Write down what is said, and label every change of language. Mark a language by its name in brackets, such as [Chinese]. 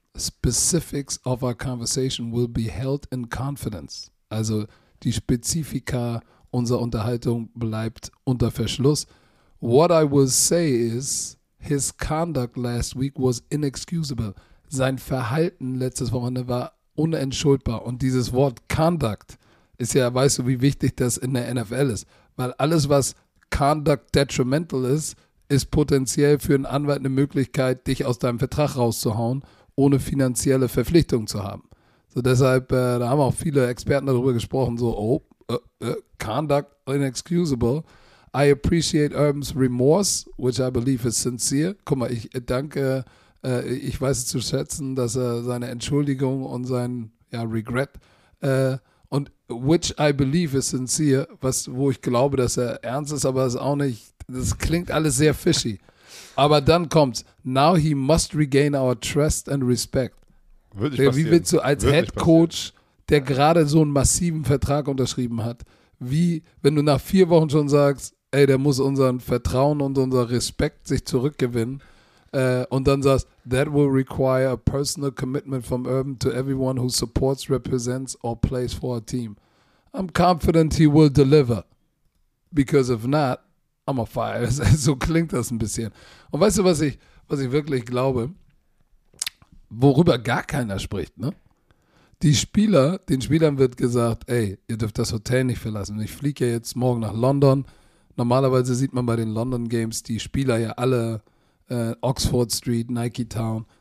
[English] Specifics of our conversation will be held in confidence. [German] Also die Spezifika unserer Unterhaltung bleibt unter Verschluss. [English] What I will say is, his conduct last week was inexcusable. [German] Sein Verhalten letztes Wochenende war unentschuldbar. Und dieses Wort conduct ist ja, weißt du, wie wichtig das in der NFL ist. Weil alles, was [English] conduct detrimental [German] ist, ist potenziell für einen Anwalt eine Möglichkeit, dich aus deinem Vertrag rauszuhauen, ohne finanzielle Verpflichtungen zu haben. So, deshalb, da haben auch viele Experten darüber gesprochen, so, [English] conduct inexcusable. I appreciate Urban's remorse, which I believe is sincere. [German] Guck mal, ich danke, ich weiß es zu schätzen, dass er seine Entschuldigung und sein, ja, Regret, und [English] which I believe is sincere, [German] was, wo ich glaube, dass er ernst ist, aber es ist auch nicht, das klingt alles sehr fishy. Aber dann kommt's, [English] now he must regain our trust and respect. [German] Wie willst du als Head Coach, der gerade so einen massiven Vertrag unterschrieben hat, wie, wenn du nach 4 Wochen schon sagst, ey, der muss unser Vertrauen und unser Respekt sich zurückgewinnen, und dann sagst, [English] that will require a personal commitment from Urban to everyone who supports, represents or plays for a team. I'm confident he will deliver. Because if not, I'm a fire. [German] So klingt das ein bisschen. Und weißt du, was ich wirklich glaube? Worüber gar keiner spricht, ne? Den Spielern wird gesagt, ey, ihr dürft das Hotel nicht verlassen. Ich fliege ja jetzt morgen nach London. Normalerweise sieht man bei den London Games die Spieler ja alle Oxford Street, Nike Town.